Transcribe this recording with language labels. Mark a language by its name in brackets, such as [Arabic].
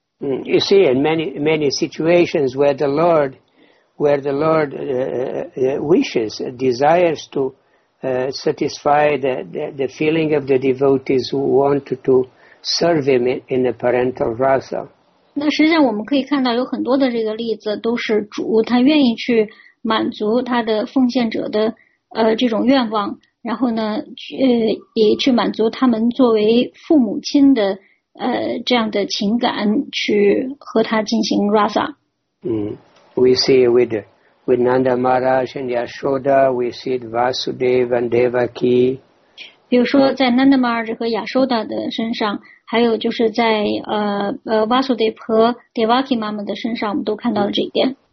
[English] You see, in many situations where the Lord wishes, desires to satisfy the feeling of the devotees who want to serve him in a parental rasa. [Chinese] 那实际上我们可以看到有很多的这个例子都是主他愿意去满足他的奉献者的这种愿望，然后呢也去满足他们作为父母亲的这样的情感，去和他进行 Rasa。 [English] We see with Nanda Maharaj and Yashoda, we see Vasudev and Devaki。 [Chinese] 比如说在 Nanda Maharaj 和 Yashoda 的身上，还有就是在Vasudev 和 Devaki 妈妈的身上，我们都看到了这一点。